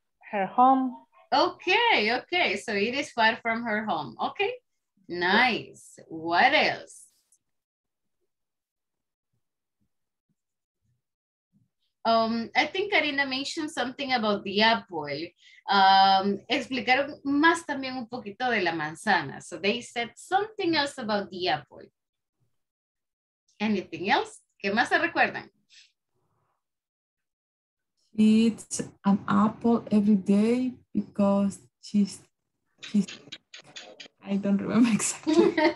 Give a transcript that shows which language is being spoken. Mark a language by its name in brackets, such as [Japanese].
[English] Her home. Okay. So it is far from her home. Okay. Nice. What else? I think Karina mentioned something about the apple. [Spanish] Explicaron más también un poquito de la manzana. [English] So they said something else about the apple. Anything else? [Spanish] ¿Qué más se recuerdan? [English] She eats an apple every day because she's I don't remember exactly.